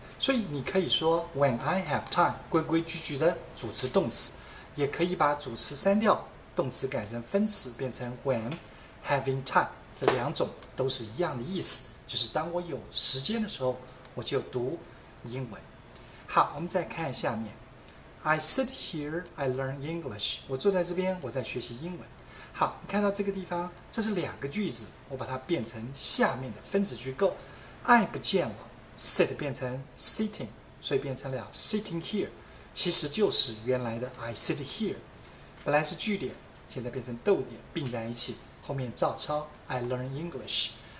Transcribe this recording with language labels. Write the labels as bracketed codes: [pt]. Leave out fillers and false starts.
[zh] 所以你可以说 [en] When I have time， [zh] 规规矩矩的主词动词，也可以把主词删掉。动词改成分词，变成 [en] when having time， [zh] 这两种都是一样的意思，就是当我有时间的时候，我就读英文。好，我们再看下面 [en] ，I sit here, I learn English。 [zh] 我坐在这边，我在学习英文。好，你看到这个地方，这是两个句子，我把它变成下面的分词句构。 I 不见了 ，sit 变成 sitting， 所以变成了 [en] sitting here， [zh] 其实就是原来的 [en] I sit here。 [zh] 本来是句点，现在变成逗点，并在一起，后面照抄 [en] I learn English。